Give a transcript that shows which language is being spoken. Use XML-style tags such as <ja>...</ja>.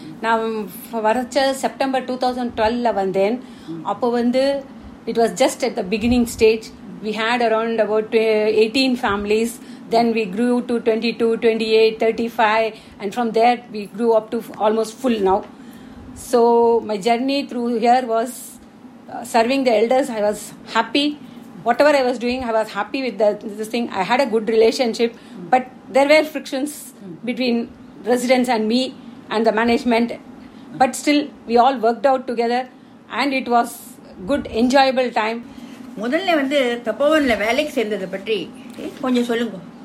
<ta>நான் வரச்ச செப்டம்பர் 2012 வந்தேன். அப்போ வந்து</ta> <en>It was just at the beginning stage. We had around about 18 families. Then we grew to 22, 28, 35, and from there we grew up to almost full now. So my journey through here was serving the elders. I was happy. Whatever I was doing, I was happy with this thing. I had a good relationship, but there were frictions between residents and me and the management. But still, we all worked out together and it was good, enjoyable time.</en> <ta>முதல்ல வந்து தப்போவன்ல வேலைக்கு சேர்ந்தது பற்றி கொஞ்சம் சொல்லுங்க.</ta>